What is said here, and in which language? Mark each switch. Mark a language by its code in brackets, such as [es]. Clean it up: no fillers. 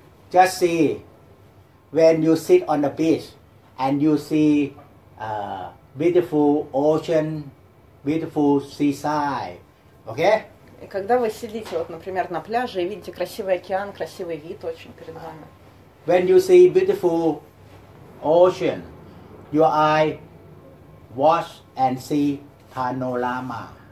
[en] just see when you sit on the beach and you see beautiful ocean, beautiful seaside, okay? [ru] Когда вы сидите, вот, например, на пляже и видите красивый океан, красивый вид очень перед вами. [en] When you see beautiful ocean, your eye watch and see panorama.